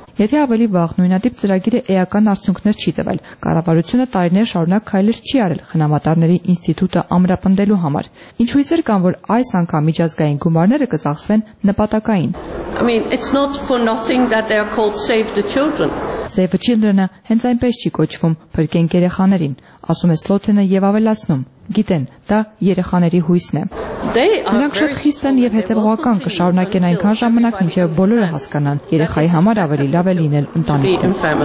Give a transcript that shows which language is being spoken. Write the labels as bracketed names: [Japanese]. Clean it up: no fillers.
[Armenian] Եթե ավելի վաղ նույնատիպ ծրագիրը էական արդյունքներ չի տվել, կառավարությունը տարիներ շարունակ քայլեր չի արել խնամատարների ինստիտուտը ամրապնդելու համար, ինչ հույսեր կան, որ այս անգամ միջազգային գումարները կծախսվեն նպատակային։ [English] I mean, it's not for nothing that they are called Save the Children. [Armenian] Save the Children-ը հենց այնպես չի կոչվում, փրկենք երեխաներին, ասում է Սլոթենը և ավելացնում. Գիտեն, դա երեխաների հույսն է։ Նրանք շատ խիստ են և հետևողական կշարունակեն այնքան ժամանակ, մինչև բոլորը հասկանան, երեխայի համար ավելի լավ է լինել ընտանիքում։